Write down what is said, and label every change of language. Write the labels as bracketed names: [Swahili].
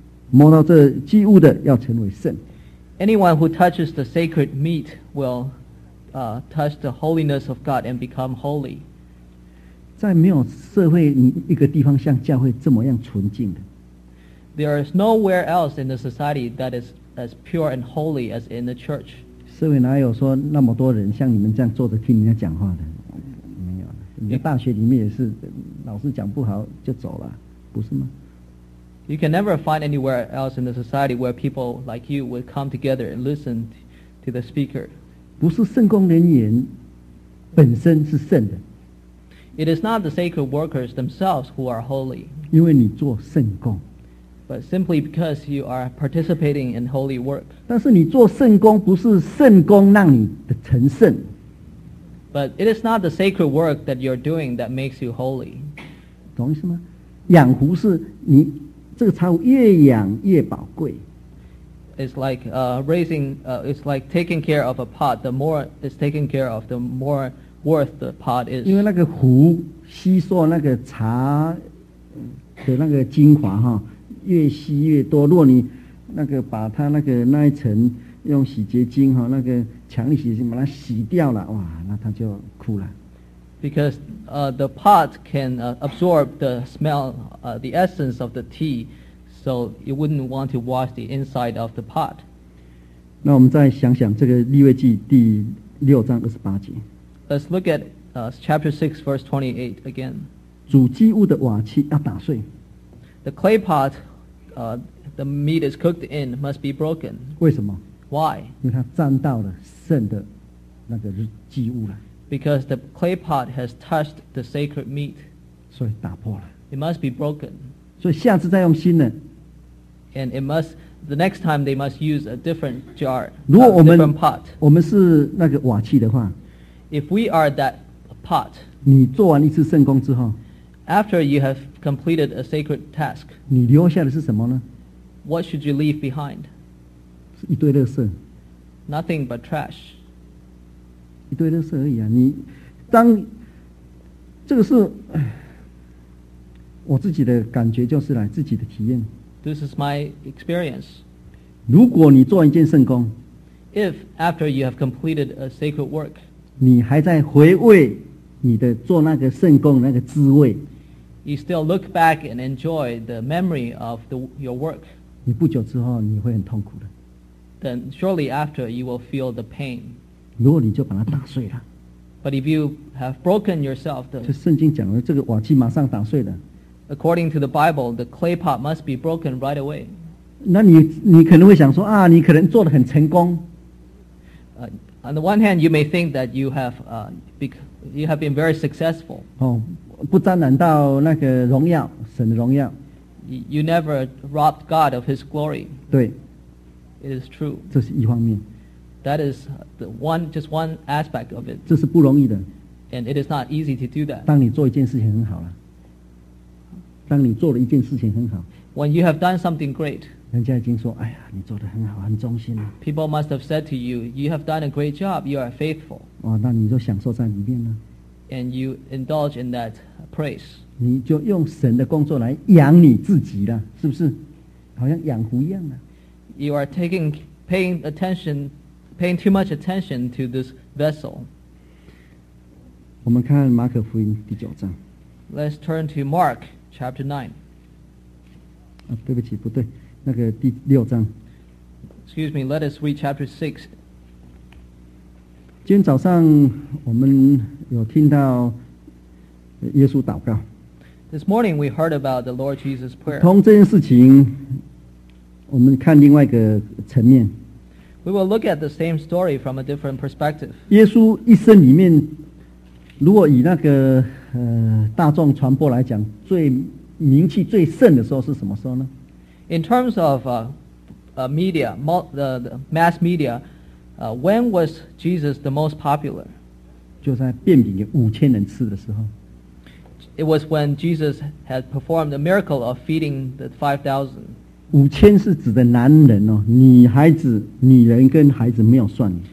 [Chinese] 摸到这祭物的要成为圣。 [English] Anyone who touches the sacred meat will touch the holiness of God and become holy. [Chinese] 在没有社会一个地方像教会这么样纯净的。 [English] There is nowhere else in the society that is as pure and holy as in the church. [Chinese] 社会哪有说那么多人像你们这样坐着听人家讲话的？没有，你在大学里面也是，老师讲不好就走了，不是吗？ [English] You can never find anywhere else in the society where people like you would come together and listen to the speaker. [Chinese] 不是圣工人员本身是圣的。 [English] It is not the sacred workers themselves who are holy. [Chinese] 因为你做圣工。 [English] But simply because you are participating in holy work. [Chinese] 但是你做圣工不是圣工让你的成圣。 [English] But it is not the sacred work that you're doing that makes you holy. [Chinese] 懂意思吗？养壶是你这个茶壶越养越宝贵。 [English] It's like it's like taking care of a pot. The more it's taken care of, the more worth the pot is. [Chinese] 因为那个壶吸收那个茶的那个精华哈，越吸越多。如果你那个把它那个那一层用洗洁精哈，那个强力洗洁精把它洗掉了，哇，那它就枯了。 [English] Because the pot can absorb the smell, the essence of the tea, so you wouldn't want to wash the inside of the pot. [Chinese] 那我们再想想这个利未记第六章二十八节。 [English] Let's look at chapter 6, verse 28 again. [Chinese] 煮祭物的瓦器要打碎。 [English] The clay pot the meat is cooked in must be broken. [Chinese] 为什么？ [English] Why? [Chinese] 因为它沾到了圣的那个祭物了。 [English] Because the clay pot has touched the sacred meat. [Chinese] 所以打破了。 [English] It must be broken. [Chinese] 所以下次再用新的。 [English] And it must, the next time they must use a different jar, a different pot. [Chinese] 我们是那个瓦器的话。 [English] If we are that pot. [Chinese] 你做完一次圣工之后。 [English] After you have completed a sacred task. [Chinese] 你留下的是什么呢？ [English] What should you leave behind? [Chinese] 是一堆垃圾。 [English] Nothing but trash. [Chinese] 一堆垃圾而已啊！你当这个是我自己的感觉，就是来自己的体验。 [English] This is my experience. [Chinese] 如果你做一件圣工 [English] ，If after you have completed a sacred work， [Chinese] 你还在回味你的做那个圣工那个滋味 [English] ，You still look back and enjoy the memory of your work。 [Chinese] 你不久之后你会很痛苦的。 [English] Then shortly after you will feel the pain。 [Chinese] 如果你就把它打碎了 [English] ，But if you have broken yourself, [Chinese] 就圣经讲了，这个瓦器马上打碎了。 [English] According to the Bible, the clay pot must be broken right away. [Chinese] 那你可能会想说啊，你可能做得很成功。 [English] On the one hand, you may think that you have been very successful. [Chinese] 哦，不沾染到那个荣耀，神的荣耀。 [English] You never robbed God of His glory. [Chinese] 对。 [English] It is true. [Chinese] 这是一方面。 [English] That is the one, just one aspect of it. [Chinese] 这是不容易的。 [English] And it is not easy to do that. [Chinese] 当你做一件事情很好了，当你做了一件事情很好。 [English] When you have done something great. [Chinese] 人家已经说，哎呀，你做得很好，很忠心了。 [English] People must have said to you, you have done a great job, you are faithful. [Chinese] 哦，那你就享受在里面了。 [English] And you indulge in that praise. [Chinese] 你就用神的工作来养你自己了，是不是？好像养狐一样的。 [English] You are taking, paying attention, paying too much attention to this vessel. [Chinese] 我们看马可福音第九章。 [English] Let's turn to Mark chapter 9. [Chinese] 对不起，不对，那个第六章。 [English] Excuse me, let us read chapter 6. [Chinese] 今天早上我们有听到耶稣祷告。 [English] This morning we heard about the Lord Jesus' prayer. [Chinese] 从这件事情我们看另外一个层面。 [English] We will look at the same story from a different perspective. [Chinese] 耶稣一生里面，如果以那个大众传播来讲，最名气最盛的时候是什么时候呢？ [English] In terms of media, mass media, when was Jesus the most popular? [Chinese] 就在变饼给五千人吃的时候。 [English] It was when Jesus had performed the miracle of feeding the 5,000. [Chinese] 五千是指的男人哦，女孩子、女人跟孩子没有算。